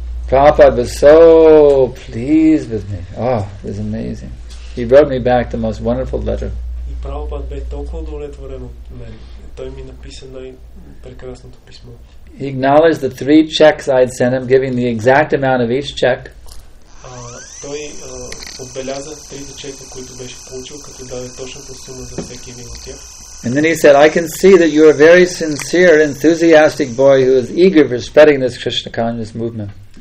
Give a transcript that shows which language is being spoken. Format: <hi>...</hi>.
<en>Prabhupada was so pleased with me. Oh, it was amazing. He wrote me back the most wonderful letter.</en> <bg>И Прабхупада бе толкова удовлетворен от мен. Той ми написа най-прекрасното писмо.</bg> <en>He acknowledged the three checks I had sent him, giving the exact amount of each check.</en> <bg>Той отбеляза трите чека, които беше получил, като даде точната сума за всеки един от тях.</bg> <en>And then he said, "I can see that you are a very sincere, enthusiastic boy who is eager for spreading this Krishna consciousness movement."</en>